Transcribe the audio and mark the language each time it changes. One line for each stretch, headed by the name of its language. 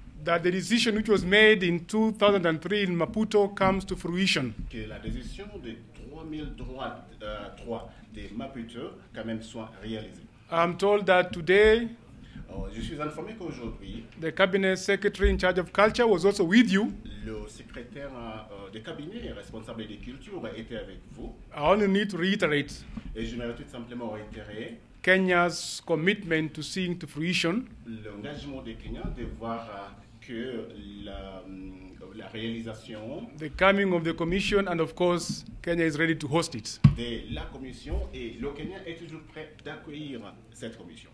English: that the decision which was made in 2003 in Maputo comes to fruition.
French: Que la décision de 2003 de Maputo quand même soit réalisée.
English: I'm told that today,
French: je suis informé qu'aujourd'hui,
English: the cabinet secretary in charge of culture was also with you.
French: Le secrétaire de cabinet responsable de culture était avec vous.
English: I only need to reiterate.
French: Et je voudrais tout simplement réitérer.
English: Kenya's commitment to seeing to fruition.
French: L'engagement de Kenya de voir que la réalisation
English: the coming of the commission and of course Kenya is ready to host it.
French: De la commission et le Kenya est toujours prêt d'accueillir cette commission.